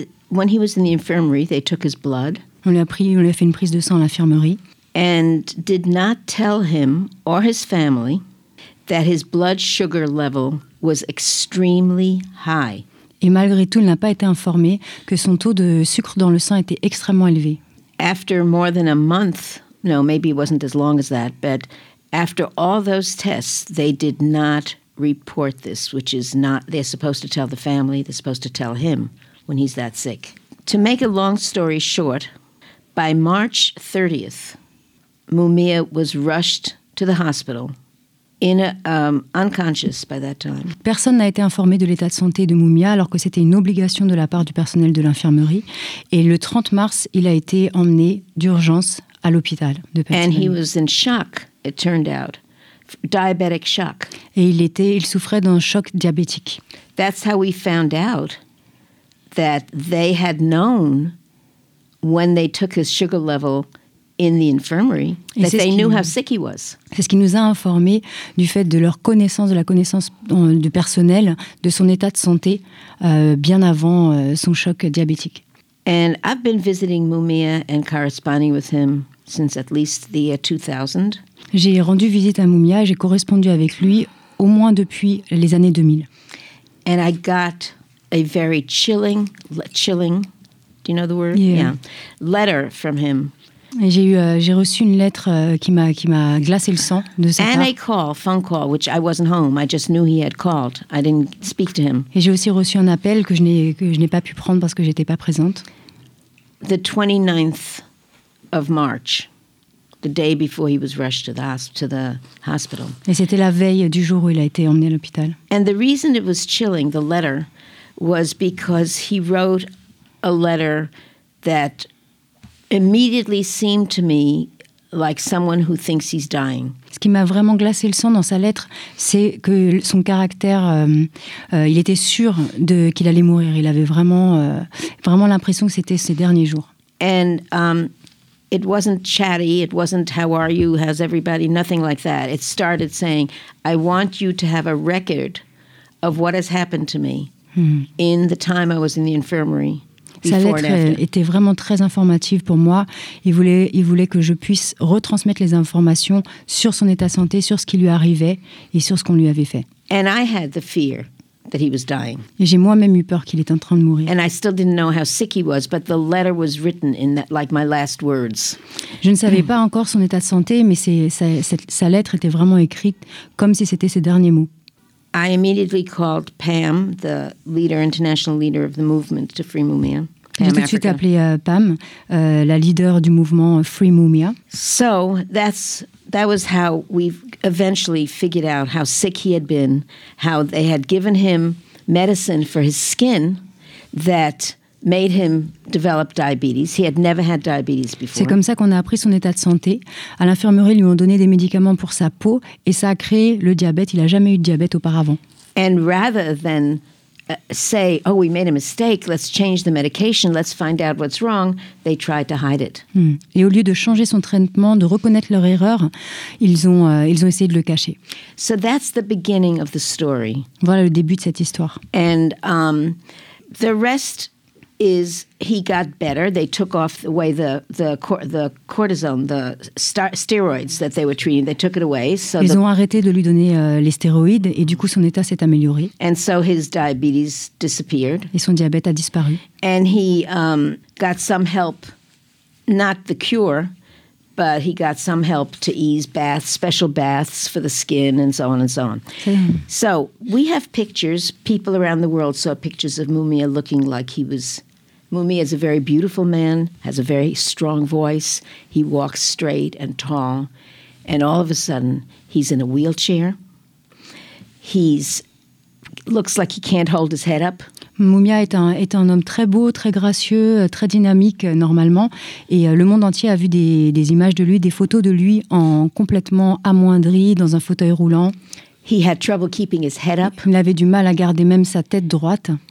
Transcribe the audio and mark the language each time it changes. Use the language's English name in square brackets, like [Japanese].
[English] When he was in the infirmary, they took his blood. [French] On lui a fait une prise de sang à l'infirmerie. [English] And did not tell him or his family that his blood sugar level was extremely high. [French] Et malgré tout, il n'a pas été informé que son taux de sucre dans le sang était extrêmement élevé. [English] After more than a month, no, maybe it wasn't as long as that, but after all those tests, they did not report this, which is not, they're supposed to tell the family, they're supposed to tell him when he's that sick. To make a long story short, by March 30th, Mumia was rushed to the hospital, unconscious by that time. [French] Personne n'a été informé de l'état de santé de Mumia, alors que c'était une obligation de la part du personnel de l'infirmerie. Et le 30 mars, il a été emmené d'urgence à l'hôpital de Pennsylvania. [English] And he was in shock, it turned out. Diabetic shock. [French] Et il souffrait d'un choc diabétique. [English] That's how we found out that they had known when they took his sugar level in the infirmary, that they knew how sick he was. [French] C'est ce qui nous a informé du fait de leur connaissance, de la connaissance du personnel, de son état de santé, bien avant son choc diabétique. [English] And I've been visiting Mumia and corresponding with him since at least the year 2000. [French] J'ai rendu visite à Mumia et j'ai correspondu avec lui au moins depuis les années 2000. [English] And I got a very chilling, do you know the word? Yeah. Letter from him. [French] Et j'ai reçu une lettre qui m'a glacé le sang de sa part. [English] And a call, phone call, which I wasn't home. I just knew he had called. I didn't speak to him. [French] Et j'ai aussi reçu un appel que je n'ai pas pu prendre parce que je n'étais pas présente. [English] The 29th of March, the day before he was rushed to the hospital. [French] Et c'était la veille du jour où il a été emmené à l'hôpital. [English] And the reason it was chilling, the letter, was because he wrote a letter that immediately seemed to me like someone who thinks he's dying. [French] Ce qui m'a vraiment glacé le sang dans sa lettre, c'est que son caractère, il était sûr de qu'il allait mourir. Il avait vraiment, vraiment l'impression que c'était ses derniers jours. [English] And it wasn't chatty. It wasn't how are you, how's everybody, nothing like that. It started saying, I want you to have a record of what has happened to me in the time I was in the infirmary. [French] Sa lettre était vraiment très informative pour moi. Il voulait que je puisse retransmettre les informations sur son état de santé, sur ce qui lui arrivait et sur ce qu'on lui avait fait. [English] And I had the fear that he was dying. [French] Et j'ai moi-même eu peur qu'il était en train de mourir. [English] And I still didn't know how sick he was, but the letter was written in that, like my last words. [French] Je ne savais pas encore son état de santé, mais sa lettre était vraiment écrite comme si c'était ses derniers mots. [English] I immediately called Pam, the leader, international leader of the movement to free Mumia. [French] J'ai tout de suite appelé Pam, la leader du mouvement Free Mumia. [English] So that was how we eventually figured out how sick he had been, how they had given him medicine for his skin that made him develop diabetes. He had never had diabetes before. [French] C'est comme ça qu'on a appris son état de santé. À l'infirmerie, ils lui ont donné des médicaments pour sa peau et ça a créé le diabète. Il n'a jamais eu de diabète auparavant. [English] And rather than say, oh, we made a mistake, let's change the medication, let's find out what's wrong, they tried to hide it. [French] Et au lieu de changer son traitement, de reconnaître leur erreur, ils ont essayé de le cacher. [English] So that's the beginning of the story. [French] Voilà le début de cette histoire. [English] And the rest is he got better. They took off away the cortisone, the steroids that they were treating. They took it away. So [French] ils ont arrêté de lui donner les stéroïdes et du coup son état s'est amélioré. [English] And so his diabetes disappeared. [French] Et son diabète a disparu. [English] And he got some help, not the cure, but he got some help to ease baths, special baths for the skin and so on and so on. So we have pictures. People around the world saw pictures of Mumia looking like he was. Mumia is a very beautiful man, has a very strong voice. He walks straight and tall. And all of a sudden, he's in a wheelchair. He's looks like he can't hold his head up. [French] Mumia est un homme très beau, très gracieux, très dynamique normalement. Et le monde entier a vu des images de lui, des photos de lui en complètement amoindri, dans un fauteuil roulant. [English] He had trouble keeping his head up. [French] Il avait du mal à garder même sa tête droite.